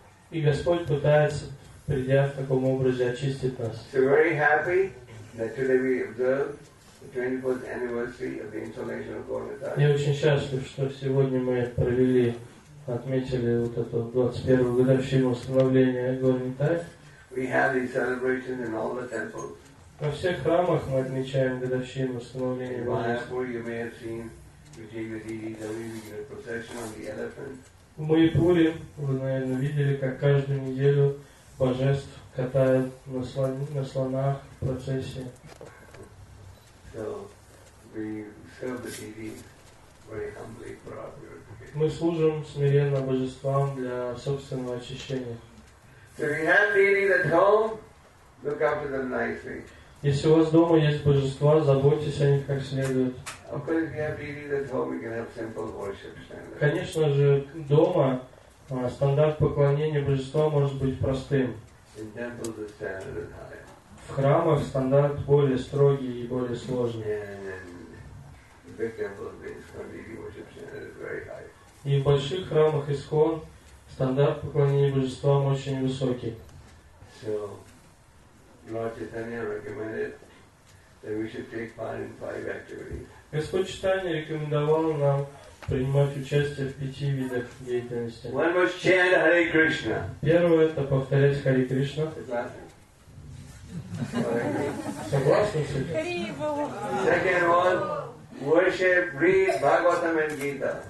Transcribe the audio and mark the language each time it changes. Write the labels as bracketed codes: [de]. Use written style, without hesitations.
[ru] И Господь пытается, придя в таком образе, очистить нас. [en] So very happy that today we observe the 24th anniversary of the installation of Lord Nitai. [ru] Я очень счастлив, что сегодня мы провели, отметили вот эту 21-ю годовщину установления Лорд Нитай. [en] We have these celebrations in all the temples. [ru] Во всех храмах мы отмечаем годовщину установления [en] Лорд Нитай. In Mayapur, you may have seen procession on the elephant. [ru] В Майпуре вы, наверное, видели, как каждую неделю божеств катают на слонах в процессии. [en] So, we serve the deities very humbly for our purification. [ru] Мы служим смиренно божествам для собственного очищения. [en] So, if you have deities at home, look after them nicely. [ru] Если у вас дома есть божества, заботьтесь о них как следует. [en] Of course, if you have deities at home, we can have simple worship standards. [ru] Конечно же, дома стандарт поклонения божества может быть простым. [en] In temples, the standard is higher. [ru] В храмах стандарт более строгий и более сложный. [en] And in big temples, the deity worship standard is very high. [ru] И в больших храмах ИСКОН стандарт поклонения божества очень высокий. [en] So, Lord Chaitanya recommended that we should take part in five activities. [ru] Господь Читания рекомендовал нам принимать участие в пяти видах деятельности. [en] One was chant Hare Krishna. [ru] Первое – это повторять Хари Кришна. Согласны с этим? [en] Second one – worship, read Bhagavatam and Gita.